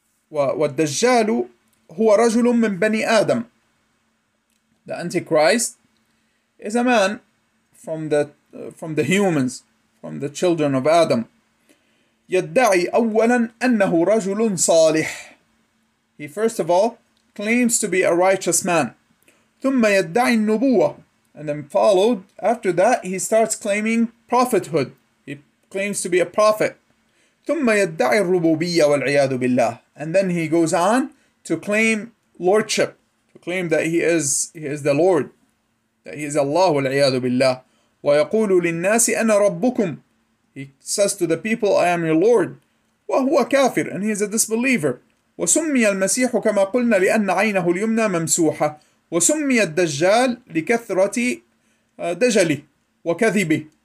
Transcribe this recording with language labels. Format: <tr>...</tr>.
<ar>والدجال هو رجل من بني آدم.</ar> <en>The Antichrist is a man from the humans, from the children of Adam.</en> <ar>يدعي أولا أنه رجل صالح.</ar> <en>He first of all claims to be a righteous man.</en> <ar>ثم يدعي النبوة.</ar> <en>And then followed after that, he starts claiming prophethood. He claims to be a prophet.</en> <ar>ثم يدعي الربوبية والعياذ بالله.</ar> <en>And then he goes on to claim lordship. Claim that he is the Lord, that he is Allah</en> <ar>والعياذ بالله. ويقول للناس أنا ربكم.</ar> <en>He says to the people, I am your Lord.</en> <ar>وهو كافر,</ar> <en>and he is a disbeliever.</en> <ar>وسمي المسيح كما قلنا لأن عينه اليمنى ممسوحة. وسمي الدجال لكثرة دجله وكذبه.</ar>